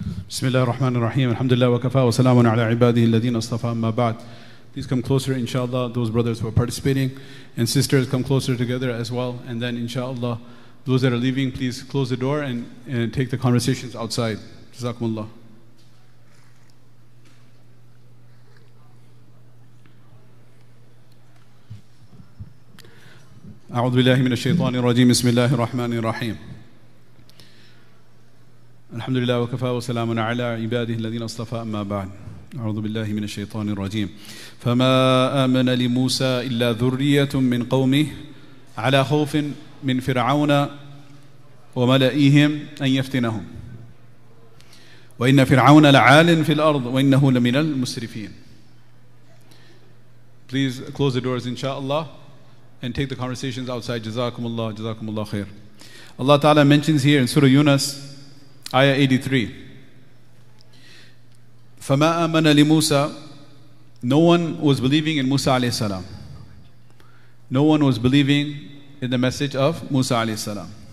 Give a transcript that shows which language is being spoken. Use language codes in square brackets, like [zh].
[ar] بسم الله الرحمن الرحيم الحمد لله وكفى وسلام على عباده الذين اصطفى ما بعد. [en] Please come closer, inshallah, those brothers who are participating. And sisters, come closer together as well. And then, inshallah, those that are leaving, please close the door and take the conversations outside. Jazakumullah. [ar] أعوذ بالله من الشيطان الرجيم بسم الله الرحمن الرحيم الحمد لله وكفى وسلام على عباده الذين اصطفى أما بعد أعوذ بالله من الشيطان الرجيم فما آمن لموسى إلا ذرية من قومه على خوف من فرعون وملئهم أن يفتنهم وإن فرعون لعال في الأرض وإنه لمن المسرفين. [en] Please close the doors inshallah and take the conversations outside. Jazakumullah, jazakumullah khair. Allah Ta'ala mentions here in Surah Yunus, Ayah 83, [ar] فَمَا آمَنَ لِمُوسَى. [en] No one was believing in Musa alayhi salam. No one was believing in the message of Musa alayhi salam.